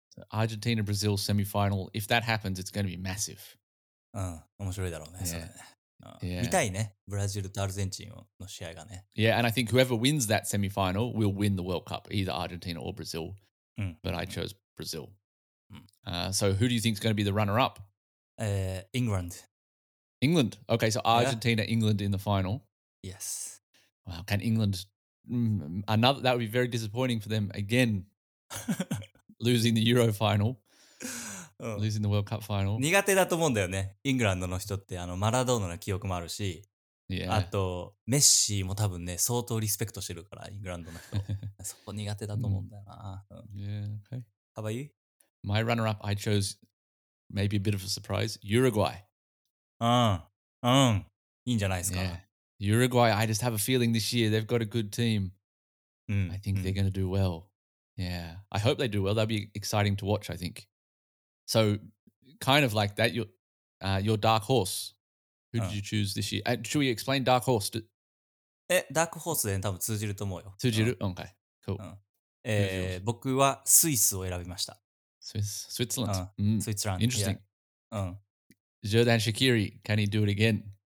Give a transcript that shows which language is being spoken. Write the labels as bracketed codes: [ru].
[en] Argentina-Brazil semifinal. If that happens, it's going to be massive. [ja] 面白いだろうね。見たいね、ブラジルとアルゼンチンの試合がね。 [en] Yeah, and I think whoever wins that semifinal will win the World Cup, either Argentina or Brazil. But I chose Brazil. So who do you think is going to be the runner-up? England. England. Okay, so Argentina, England in the final. Yes. Wow, can England... another, that would be very disappointing for them again. Losing the Euro final. Losing the World Cup final. [ja] 苦手だと思うんだよね。イングランドの人ってあのマラドーナの記憶もあるし、あとメッシーも多分ね、相当リスペクトしてるから、イングランドの人。そこ苦手だと思うんだよな。 [en] How about you? My runner-up, I chose maybe a bit of a surprise, Uruguay. [ja] いいんじゃないですか。 [en] Yeah. Uruguay, I just have a feeling this year they've got a good team. I think they're going to do well. Yeah, I hope they do well. That'll be exciting to watch, I think. So, kind of like that, your dark horse. Who did you choose this year? Should we explain dark horse? [ja] ダークホースで多分通じると思うよ。通じる? [en] Okay, cool. [ja] 僕はスイスを選びました。 [en] Switzerland. Switzerland. Interesting. Jordan Shaqiri, can he do it again?